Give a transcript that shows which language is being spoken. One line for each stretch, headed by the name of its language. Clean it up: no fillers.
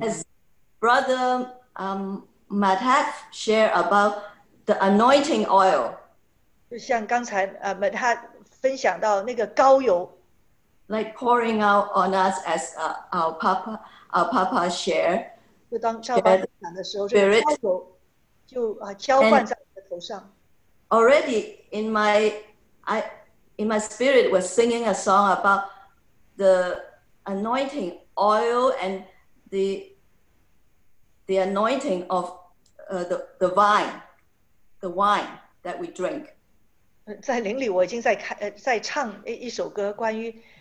English: As Brother Matak shared about the anointing oil.
Chinese: 就像刚才 Matak 分享到那个膏油。
English: Like pouring out on us as our papa share.
Chinese: 就当赵爸爸讲的时候，就交换在你的头上。
English: Already in my spirit was singing a song about the anointing oil and the anointing of the wine, the wine that we drink.
Chinese: 在灵里，我已经在唱一首歌关于。